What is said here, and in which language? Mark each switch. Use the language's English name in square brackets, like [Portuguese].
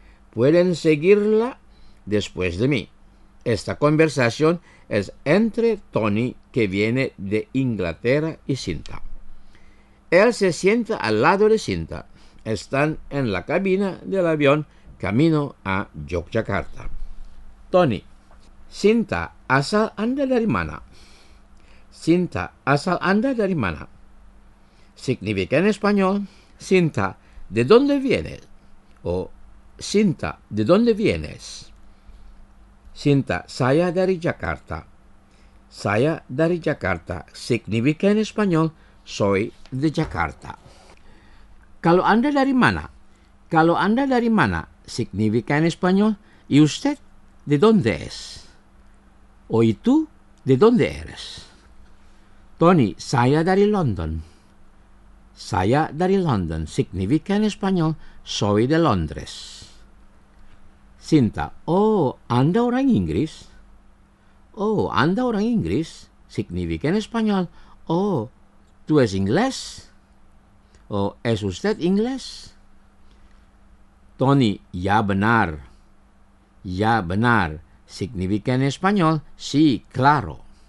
[Spanish] Pueden seguirla después de mí. Esta conversación es entre Tony, que viene de Inglaterra, y Cinta. Él se sienta al lado de Cinta. Están en la cabina del avión camino a Yogyakarta. [Indonesian] Tony: Cinta, asal anda dari mana? Cinta, asal anda dari mana? [Spanish] Significa en español: Cinta, ¿de dónde vienes? O Cinta, ¿de dónde vienes? [Indonesian] Cinta: Saya dari Jakarta. Saya dari Jakarta [Spanish] significa en español: soy de Jakarta. [Indonesian] Kalau anda dari mana? Kalau anda dari mana [Spanish] significa en español: ¿y usted de dónde es? O ¿y tú de dónde eres? Tony: [Indonesian] Saya dari London. Saya dari London [Spanish] significa en español: soy de Londres. [Indonesian] Cinta: Oh, anda orang Inggris? Oh, anda orang Inggris [Spanish] significa en español: oh, ¿tú es inglés? O ¿es usted inglés? Tony: [Indonesian] Ya benar. Ya benar [Spanish] significa en español: sí, claro.